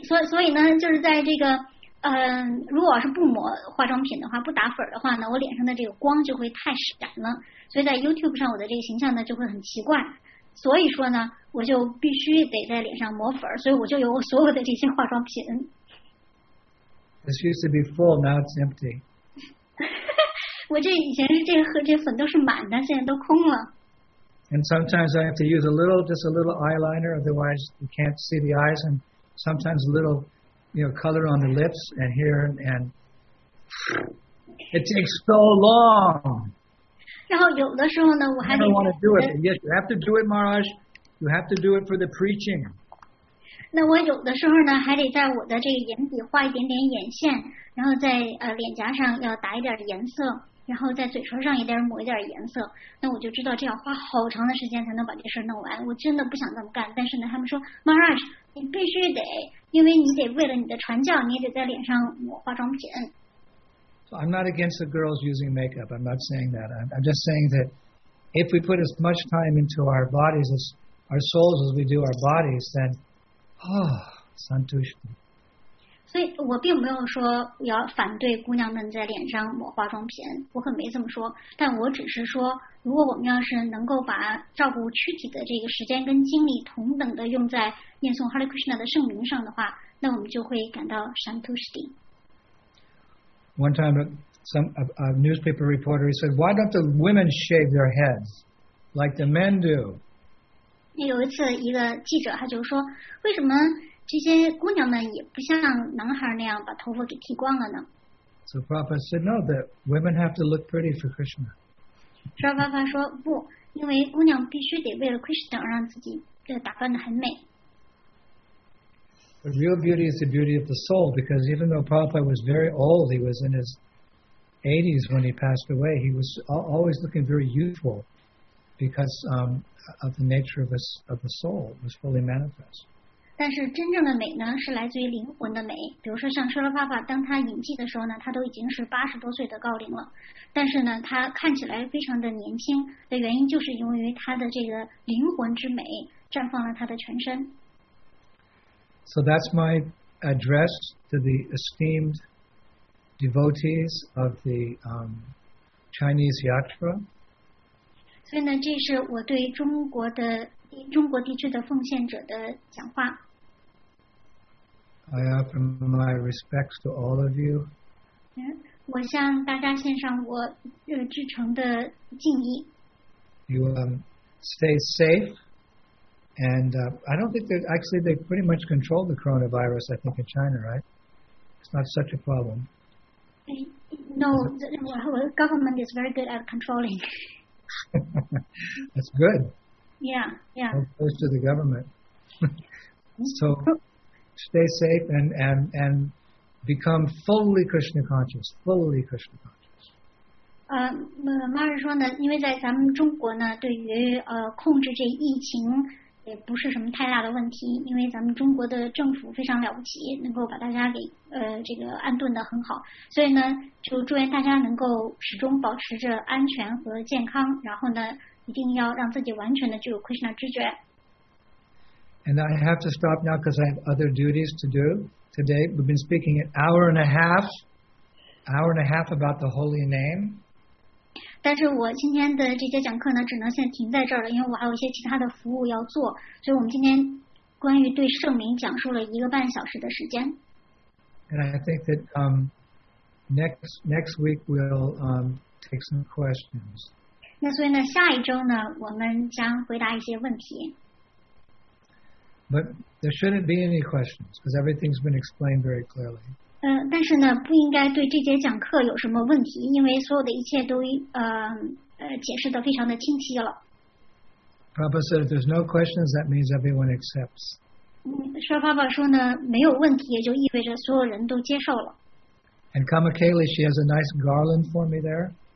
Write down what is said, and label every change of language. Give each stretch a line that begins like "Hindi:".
Chinese: 所以呢，就是在这个，如果是不抹化妆品的话，不打粉的话呢，我脸上的这个光就会太闪了。所以在 YouTube 上，我的这个形象呢就会很奇怪。所以说呢，我就必须得在脸上抹粉，所以我就有我所有的这些化妆品。
English: This used to be full, now it's empty.
Chinese: 我这以前是这个和这粉都是满的，现在都空了。
English: And sometimes I have to use just a little eyeliner, otherwise you can't see the eyes, and sometimes a little, you know, color on the lips and here, and it takes so long.
Chinese: 然后有的时候呢，我还得。
English: I don't want to do it. Yes, you have to do it, Maharaj. You have to do it for the preaching.
Chinese: 那我有的时候呢，还得在我的这个眼底画一点点眼线，然后在脸颊上要打一点颜色，然后在嘴唇上也得抹一点颜色。那我就知道这要花好长的时间才能把这事弄完。我真的不想这么干，但是呢，他们说 Maharaj, 你必须得，因为你得为了你的传教，你也得在脸上抹化妆品。
English: So I'm not against the girls using makeup. I'm not saying that. I'm just saying that if we put as much time into our bodies, as our souls, as we do our bodies, then, oh, santushti.
Chinese: 所以我并没有说要反对姑娘们在脸上抹化妆品，我可没这么说。但我只是说，如果我们要是能够把照顾躯体的这个时间跟精力同等的用在念诵 Hare Krishna 的圣名上的话，那我们就会感到 santushti。
English: One time, a newspaper reporter, he said, why don't the women shave their heads like the men do?
Chinese: 有一次一个记者他就说，为什么这些姑娘们也不像男孩那样把头发给剃光了呢？
English: So Prabhupada said, no, the women have to look pretty for Krishna.
Chinese: 沙巴巴说，不，因为姑娘必须得为了 Krishna 让自己打扮得很美。
English: But real beauty is the beauty of the soul, because even though Prabhupada was very old, he was in his 80s when he passed away, he was always looking very youthful because of the nature of the soul was fully manifest.
Chinese: 但是真正的美呢，是来自于灵魂的美。比如说像舍勒帕帕，当他隐寂的时候呢，他都已经是80多岁的高龄了，但是呢，他看起来非常的年轻的原因，就是由于他的这个灵魂之美绽放了他的全身。
English: So that's my address to the esteemed devotees of the Chinese Yatra.
Chinese: 所以呢，这是我对中国地区的奉献者的讲话。
English: I offer my respects to all of you.
Chinese: 我向大家献上我至诚的敬意。
English: You stay safe. And I don't think that actually they pretty much control the coronavirus, I think, in China, right? It's not such a problem. No, the government is very good at controlling. That's good. Yeah, yeah. Opposed to the government. So stay safe and become fully Krishna conscious, fully Krishna conscious.
Chinese: Mara 说呢，因为在咱们中国呢，对于控制这疫情也不是什么太大的问题，因为咱们中国的政府非常了不起，能够把大家给这个安顿得很好，所以呢，就祝愿大家能够始终保持着安全和健康，然后呢，一定要让自己完全的具有 Krishna 知觉。
English: And I have to stop now because I have other duties to do today. We've been speaking an hour and a half about the holy name.
Chinese: 但是我今天的这节讲课呢只能先停在这儿了，因为我还有一些其他的服务要做，所以我们今天关于对圣灵讲述了一个半小时的时间。
English: And I think that next week we'll take some questions.
Chinese: 那所以呢下一周呢我们将回答一些问题。
English: But there shouldn't be any questions because everything's been explained very clearly.
Chinese: 但是呢不应该对这节讲课有什么问题，因为所有的一切都解释得非常的清晰了。
English: Prabhupada said if there's no questions, that means everyone accepts.
Chinese: 舍尔巴巴说呢没有问题也就意味着所有人都接受了。
English: And Kamakali, she has a nice garland for me there.